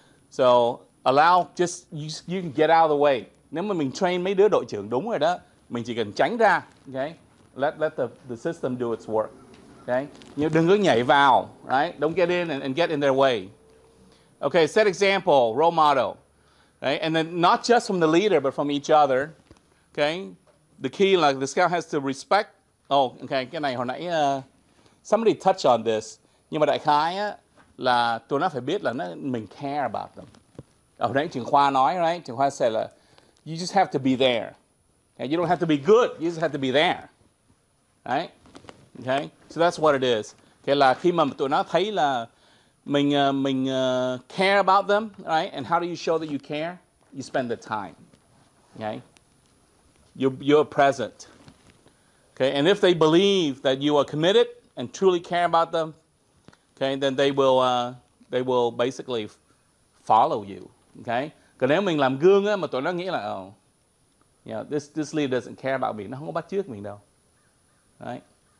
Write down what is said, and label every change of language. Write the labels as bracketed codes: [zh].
[en] So allow, just, you can get out of the way. [vi] Nếu mà mình train mấy đứa đội trưởng đúng rồi đó, mình chỉ cần tránh ra. [en] Okay, let the system do its work. Okay, [vi] nhưng đừng cứ nhảy vào, [en] right? Don't get in and get in their way. Okay, set example, role model. Right? And then not just from the leader, but from each other. Okay, the key, like the scout has to respect. Oh, okay, [vi] cái này hồi nãy [en] somebody touched on this. [vi] Nhưng mà đại khái là tụi nó phải biết là mình [en] care about them. [vi] Hồi nãy trưởng khoa nói, right? [en] Trưởng khoa said là you just have to be there. Okay? You don't have to be good, you just have to be there. Right? Okay, so that's what it is. [vi] Okay, là khi mà tụi nó thấy là mình [en] care about them, [vi] right? [en] And how do you show that you care? You spend the time, okay? You're present, okay? And if they believe that you are committed and truly care about them, okay, then they will basically follow you, okay? [vi] Còn nếu mình làm gương á, mà tụi nó nghĩ là, [en] oh, you know, this leader doesn't care about me, [vi] nó không có bắt chước mình đâu, right?